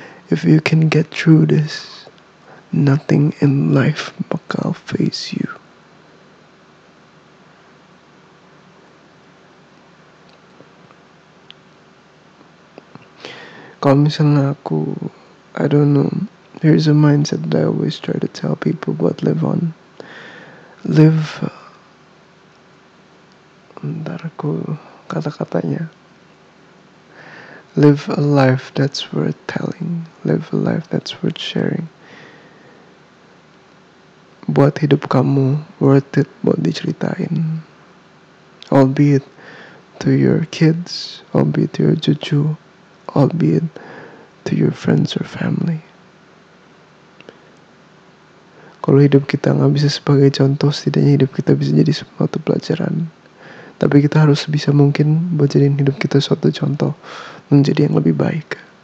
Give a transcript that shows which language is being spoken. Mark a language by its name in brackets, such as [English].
[English] If you can get through this, nothing in life [Indonesian] bakal [English] face you. [Indonesian] Kalau misalnya aku, [English] I don't know, here's a mindset that I always try to tell people, but live on. [Indonesian] Live, ntar aku kata-katanya. [English] Live a life that's worth telling. Live a life that's worth sharing. [Indonesian] Buat hidup kamu [English] worth it [Indonesian] buat diceritain. [English] Albeit to your kids, albeit to your cucu, albeit to your friends or family. [Indonesian] Kalau hidup kita gak bisa sebagai contoh, setidaknya hidup kita bisa jadi suatu pelajaran. Tapi kita harus bisa mungkin buat jadiin hidup kita suatu contoh, menjadi yang lebih baik.